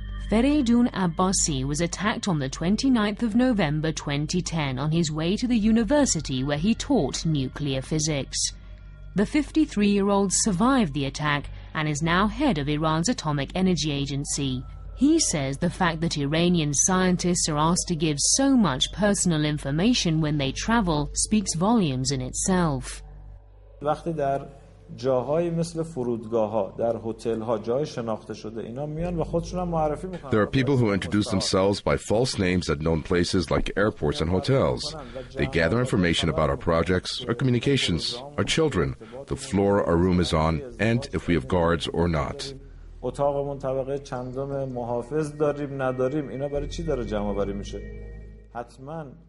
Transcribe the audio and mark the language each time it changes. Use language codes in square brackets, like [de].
[en] Feridun Abbasi was attacked on the 29th of November 2010 on his way to the university where he taught nuclear physics. The 53-year-old survived the attack and is now head of Iran's Atomic Energy Agency. He says the fact that Iranian scientists are asked to give so much personal information when they travel speaks volumes in itself. [fa] وقتی در جاهای مثل فرودگاه‌ها، در هتل‌ها، جای شناخته شده، اینا میان و خودشون هم معرفی می‌کنن. [en] There are people who introduce themselves by false names at known places like airports and hotels. They gather information about our projects, our communications, our children, the floor our room is on, and if we have guards or not. [fa] اتاقمون طبقه چندم محافظ داریم نداریم، اینا برای چی داره جمع‌آوری میشه؟ حتماً.